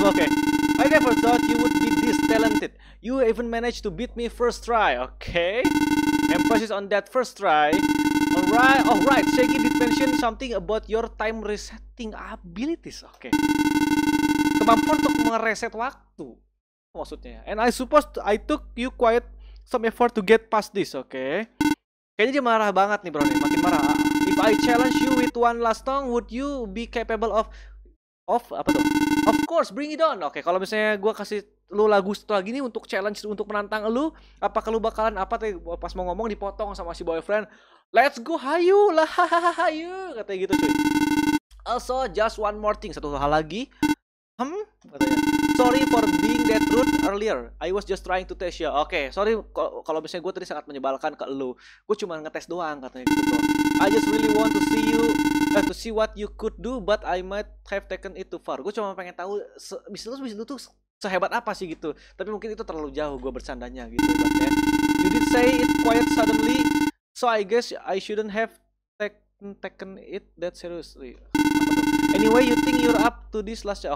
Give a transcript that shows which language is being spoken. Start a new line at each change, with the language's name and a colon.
English: Oke, okay. I never thought you would be this talented. You even managed to beat me first try. Oke, okay. Emphasis on that first try. Alright, alright. Shaggy did mention something about your time resetting abilities. Oke, okay.
Indonesian: Kemampuan untuk mereset waktu, maksudnya.
English: And I suppose I took you quite some effort to get past this. Oke, okay.
Indonesian: Kayaknya dia marah banget nih bro nih, makin marah.
English: If I challenge you with one last song, would you be capable of
Indonesian: apa tuh?
English: Of course, bring it on.
Indonesian: Oke, okay, kalau misalnya gue kasih lu lagu satu lagi nih untuk challenge, untuk menantang lu, apakah lu bakalan apa tuh? Pas mau ngomong dipotong sama si boyfriend.
English: Let's go,
Indonesian: hayu lah, hayu, katanya gitu cuy.
English: Also, just one more thing,
Indonesian: satu hal lagi. Katanya.
English: Sorry for being that rude earlier. I was just trying to test you.
Indonesian: Oke, okay,
English: sorry
Indonesian: kalau misalnya gue tadi sangat menyebalkan ke lu. Gue cuma ngetes doang, katanya gitu.
English: I just really want to see you, to see what you could do, but I might have taken it too far.
Indonesian: Gue cuma pengen tahu, bisnis lu tuh sehebat apa sih gitu. Tapi mungkin itu terlalu jauh gue bercandanya gitu.
English: You did say it quiet suddenly, so I guess I shouldn't have taken it that seriously. Anyway, you think you're up to this last year?